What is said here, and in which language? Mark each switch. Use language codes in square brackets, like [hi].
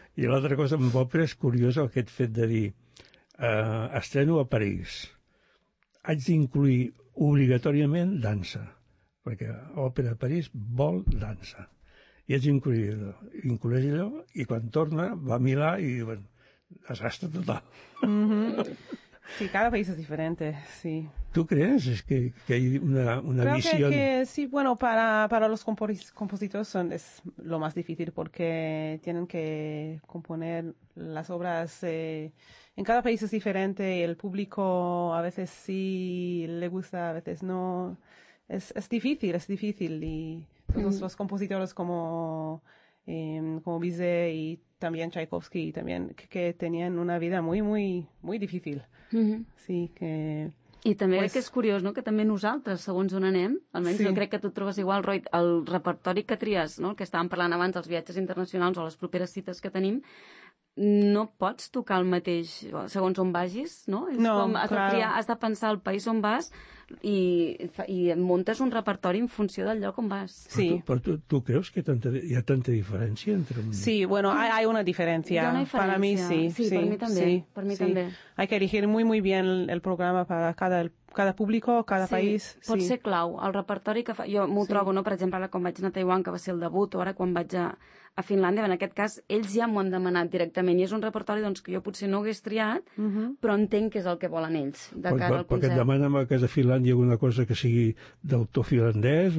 [ca] I l'altra cosa amb òpera és curiosa, aquest fet de dir, estreno a París, haig d'incluir obligatòriament dansa, perquè l'òpera de París vol dansa. I haig d'incluir allò, i quan torna, va a Milà i diuen, desastre total. Sí, cada país és diferent, sí. [es] ¿Tú crees? Es que hay una creo visión... Que sí, bueno, para los compositores es lo más difícil porque tienen que componer las obras. En cada país es diferente y el público a veces sí le gusta, a veces no. Es difícil. Y todos los compositores como Bizet y también Tchaikovsky, también, que tenían una vida muy, muy, muy difícil. Sí, que... [ca] I també crec que és curiós, no?, que també nosaltres, segons on anem, almenys jo crec que tu trobes igual, Roy, el repertori que tries, no?, el que estàvem parlant abans, els viatges internacionals o les properes cites que tenim, no pots tocar el mateix segons on vagis, no? Has de pensar el país on vas i muntes un repertori en funció del lloc on vas. Sí. Però tu creus que hi ha tanta diferència entre... [es] Sí, bueno, hay una diferencia. [ca] Hi ha una diferència. [es] Para mí sí. [ca] Sí, per mi també. Sí, per mi també. [es] Hay que elegir muy, muy bien el programa para cada público, cada país. [ca] Sí, pot ser clau. El repertori que fa... Jo m'ho trobo, no?, per exemple, ara quan vaig anar a Taiwan, que va ser el debut, o ara quan vaig a Finlàndia, en aquest cas, ells ja m'ho han demanat directament, i és un repertori doncs, que jo potser no hagués triat, però entenc que és el que volen ells, de cara al concert. Perquè et demanen a casa Finlàndia alguna cosa que sigui d'autor finlandès?